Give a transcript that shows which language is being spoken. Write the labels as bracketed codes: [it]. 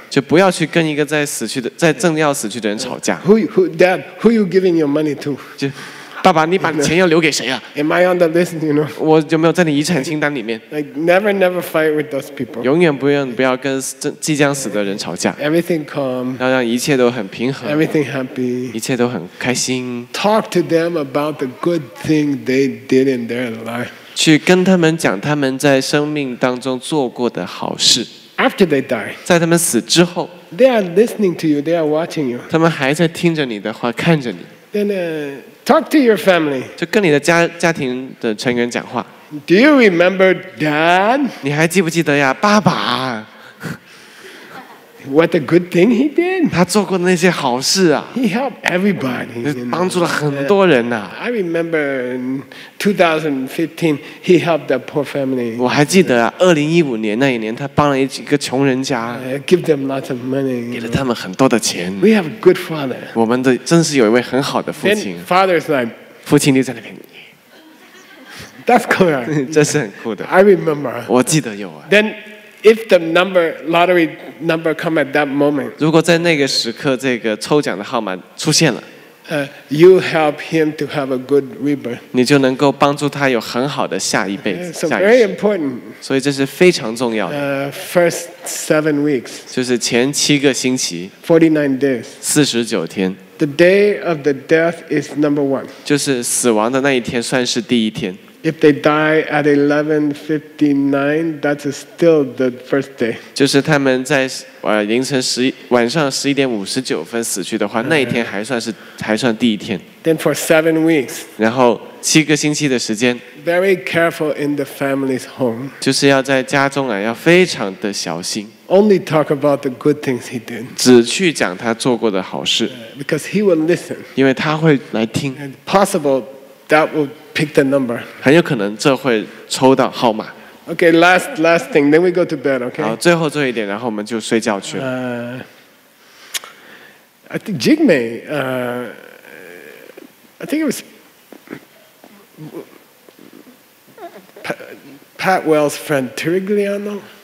[zh] 就不要去跟一个在死去的在正要死去的人吵架。 [en] Who dad? Who you giving your money to? [zh] 就爸爸，你把钱要留给谁啊？ [en] Am I on the list? You know? [zh] 我有没有在你遗产清单里面？ [en] Like never fight with those people. [zh] 永远不要跟即将死的人吵架。 [en] Everything calm. [zh] 要让一切都很平和。 [en] Everything happy. [zh] 一切都很开心。 [en] Talk to them about the good thing they did in their life. [zh] 去跟他们讲他们在生命当中做过的好事。 [en] After they die. [zh] 在他们死之后。 [en] They are listening to you. They are watching you. [zh] 他们还在听着你的话，看着你。 [en] Then talk to your family. [zh] 就跟你的家庭的成员讲话。 [en] Do you remember Dad? [zh] 你还记不记得呀，爸爸 [en] ？What a good thing he did. [zh] 他做过的那些好事啊。 [en] He helped everybody. [zh] 帮助了很多人呐。 [en] I remember in 2015 he helped the poor family. [zh] 我还记得啊，2015年那一年，他帮了一个穷人家。 [en] Give them lots of money. [zh] 给了他们很多的钱。 [en] We have a good father. [zh] 我们的真是有一位很好的父亲。 [en] Then father's like. [zh] 父亲就在那边。 [en] That's cool. [zh] 这是很酷的。 [en] I remember. [zh] 我记得有啊。 [en] Then if the number lottery number come at that moment. [zh] 如果在那个时刻，这个抽奖的号码出现了。 [en] You help him to have a good rebirth. [zh] 你就能够帮助他有很好的下一辈子。 [en] So very important. [zh] 所以这是非常重要的。 [en] First 7 weeks. [zh] 就是前七个星期。 [en] 49 days. [zh] 四十九天。 [en] The day of the death is number one. [zh] 就是死亡的那一天算是第一天。 [en] If they die at 11:59, that's still the first day. [zh] 就是他们在凌晨十晚上十一点五十九分死去的话，那一天还算第一天。 [en] Then for 7 weeks. [zh] 然后七个星期的时间。 [en] Very careful in the family's home. [zh] 就是要在家中啊，要非常的小心。 [en] Only talk about the good things he did. [zh] 只去讲他做过的好事。 [en] Because he will listen. [zh] 因为他会来听。 [en] And possible that will pick the number. [zh] 很有可能这会抽到号码。 [en] Okay, last thing. Then we go to bed. Okay. [zh] 好，最后做一点，然后我们就睡觉去了。 [en] I think Jigme. I think it was Pat Wells' friend Tirigliano.